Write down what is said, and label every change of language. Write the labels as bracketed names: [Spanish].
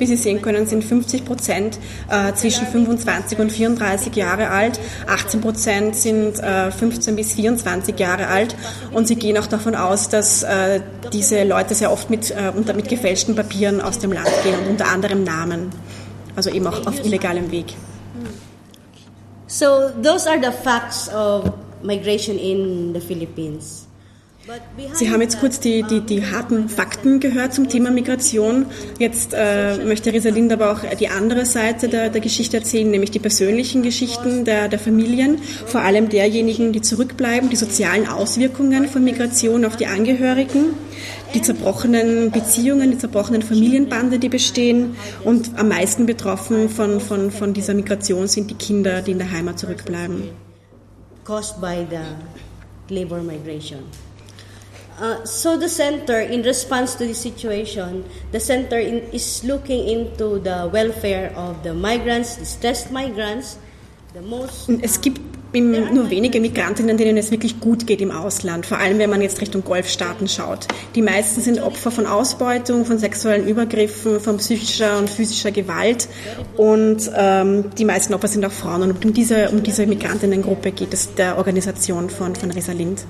[German] Wie Sie sehen können, sind 50% zwischen 25 und 34 Jahre alt, 18% sind 15 bis 24 Jahre alt, und sie gehen auch davon aus, dass diese Leute sehr oft mit gefälschten Papieren aus dem Land gehen, und unter anderem Namen, also eben auch auf illegalem Weg. [English] So, those are the facts of migration in the Philippines. [German] Sie haben jetzt kurz die harten Fakten gehört zum Thema Migration. Jetzt möchte Rizalind aber auch die andere Seite der Geschichte erzählen, nämlich die persönlichen Geschichten der Familien, vor allem derjenigen, die zurückbleiben, die sozialen Auswirkungen von Migration auf die Angehörigen, die zerbrochenen Beziehungen, die zerbrochenen Familienbande, die bestehen. Und am meisten betroffen von dieser Migration sind die Kinder, die in der Heimat zurückbleiben. [English] Caused by the labor migration. So the center, in response to the situation, the center is looking into the welfare of the migrants, distressed migrants. [German] Es gibt nur wenige Migrantinnen, denen es wirklich gut geht im Ausland, vor allem wenn man jetzt Richtung Golfstaaten schaut. Die meisten sind Opfer von Ausbeutung, von sexuellen Übergriffen, von psychischer und physischer Gewalt, und die meisten Opfer sind auch Frauen. Und um diese Migrantinnengruppe geht es der Organisation von Rizalind.